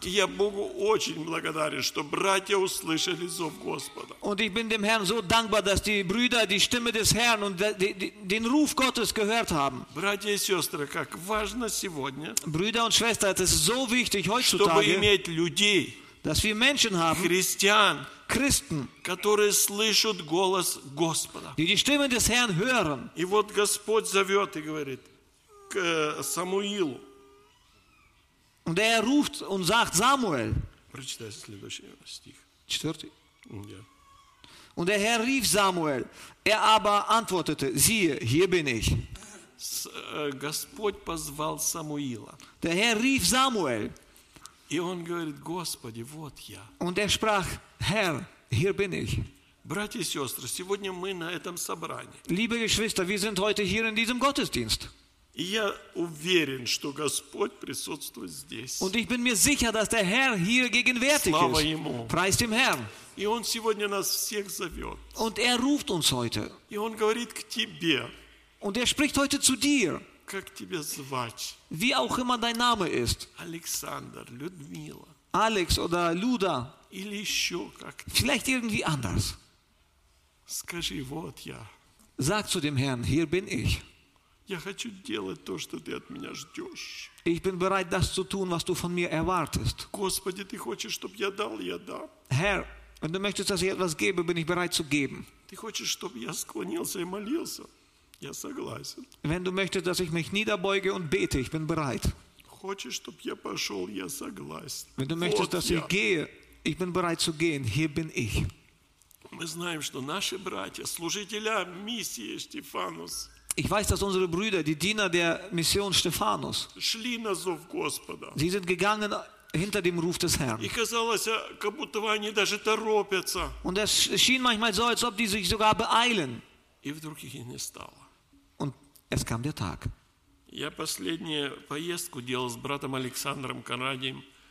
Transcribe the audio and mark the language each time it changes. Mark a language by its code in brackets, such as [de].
[de] Und ich bin dem Herrn so dankbar, dass die Brüder die Stimme des Herrn und den Ruf Gottes gehört haben. Brüder und Schwestern, es ist so wichtig heutzutage, dass wir Menschen haben, Christen, Christen, [ru] которые слышат голос Господа. [de] Die Stimme des Herrn hören. [ru] И вот Господь зовет и говорит к Самуилу. [de] Und er ruft und sagt Samuel. [ru] Прочитай следующий стих. Четвертый. [de] Ja. Und der Herr rief Samuel. Er aber antwortete: Siehe, hier bin ich. [ru] Господь позвал Самуила. [de] Der Herr rief Samuel. [ru] И он говорит: Господи, вот я. [de] Und er sprach: Herr, hier bin ich. [ru] Братья и сестры, сегодня мы на этом собрании. [de] Liebe Geschwister, wir sind heute hier in diesem Gottesdienst. [ru] И я уверен, что Господь присутствует здесь. [de] Und ich bin mir sicher, dass der Herr hier gegenwärtig [ru] Слава Слава ему. [de] Preis dem Herrn. [ru] И он сегодня нас всех зовет. [de] Und er ruft uns heute. [ru] И он говорит к тебе. [de] Und er spricht heute zu dir. [ru] Как тебя звать? [de] Wie auch immer dein Name ist. [ru] Александр, Людмила. [de] Alex oder Luda. Vielleicht irgendwie anders. [ru] Скажи, вот я. [de] Sag zu dem Herrn, hier bin ich. [ru] Я хочу делать то, что ты от меня ждешь. [de] Ich bin bereit, das zu tun, was du von mir erwartest. [ru] Господи, ты хочешь, чтобы я дал, я дам. [de] Herr, wenn du möchtest, dass ich etwas gebe, bin ich bereit zu geben. [ru] Ты хочешь, чтобы я склонился и молился? Я согласен. [de] Wenn du möchtest, dass ich mich niederbeuge und bete, ich bin bereit. [ru] Хочешь, чтобы я пошел, я согласен. [de] Wenn du möchtest, dass [ru] я. [de] Ich gehe, ich bin bereit zu gehen, hier bin ich. [ru] Мы знаем, что наши братья, служителя миссии Стефанус. [de] Ich weiß, dass unsere Brüder, die Diener der Mission Stephanus, [ru] шли на зов Господа. [de] Sie sind gegangen hinter dem Ruf des Herrn. [ru] И казалось, как будто они даже торопятся. [de] Und es schien manchmal so, als ob die sich sogar beeilen. [ru] И вдруг их не стало. [de] Und es kam der Tag. [ru] Я последнюю поездку делал с братом Александром Канадием.